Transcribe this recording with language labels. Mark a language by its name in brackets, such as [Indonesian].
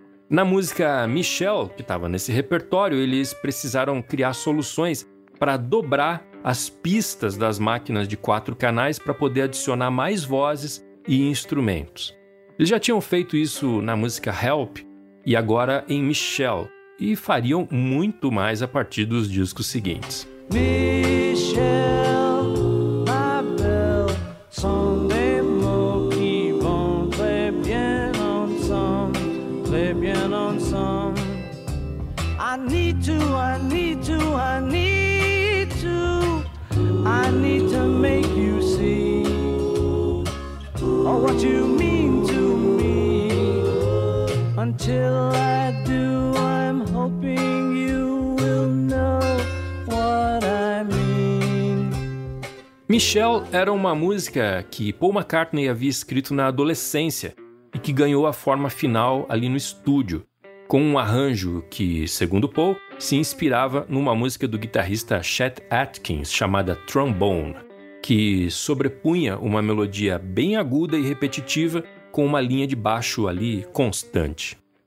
[Portuguese] Na música Michelle, que estava nesse repertório, eles precisaram criar soluções para dobrar as pistas das máquinas de 4 canais para poder adicionar mais vozes e instrumentos. Eles já tinham feito isso na música Help, e agora em Michelle, e fariam muito mais a partir dos discos seguintes. [French] Michelle, ma belle, sont des mots qui vont très bien ensemble, très bien ensemble. [English] I need to, I need to, I need to, I need to make you see, oh, what you mean to me. Until I do, I'm hoping you will know what I mean. [Portuguese] Michelle era uma música que Paul McCartney havia escrito na adolescência e que ganhou a forma final ali no estúdio, com um arranjo que, segundo Paul, se inspirava numa música do guitarrista Chet Atkins chamada Trombone, que sobrepunha uma melodia bem aguda e repetitiva com uma linha de baixo ali constante.